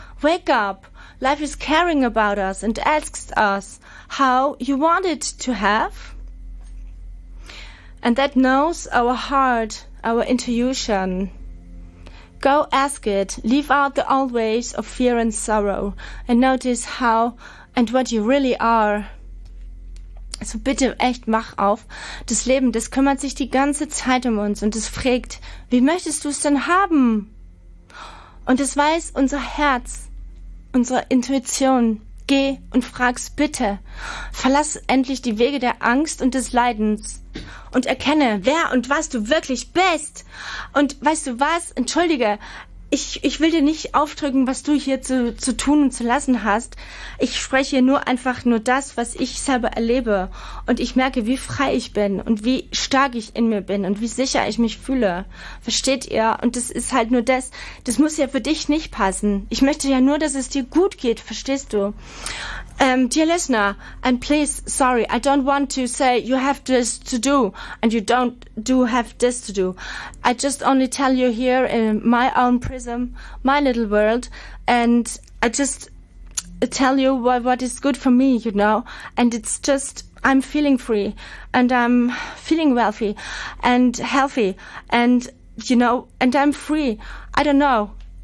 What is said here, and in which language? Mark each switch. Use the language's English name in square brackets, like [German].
[English] Wake up, life is caring about us and asks us how you want it to have. And that knows our heart, our intuition. Go ask it, leave out the old ways of fear and sorrow and notice how and what you really are. [German] So bitte echt, mach auf. Das Leben, das kümmert sich die ganze Zeit um uns und es fragt, wie möchtest du es denn haben? Und es weiß unser Herz, unsere Intuition. Geh und frag's bitte. Verlass endlich die Wege der Angst und des Leidens und erkenne, wer und was du wirklich bist. Und weißt du was? Entschuldige, ich will dir nicht aufdrücken, was du hier zu tun und zu lassen hast. Ich spreche nur einfach nur das, was ich selber erlebe. Und ich merke, wie frei ich bin und wie stark ich in mir bin und wie sicher ich mich fühle. Versteht ihr? Und das ist halt nur das. Das muss ja für dich nicht passen. Ich möchte ja nur, dass es dir gut geht. Verstehst du? [English] Dear listener, and please, sorry, I don't want to say you have this to do and you don't do have this to do. I just only tell you here in my own prism, my little world, and I just tell you what is good for me, you know, and it's just I'm feeling free and I'm feeling wealthy and healthy and, you know, and I'm free. I don't know.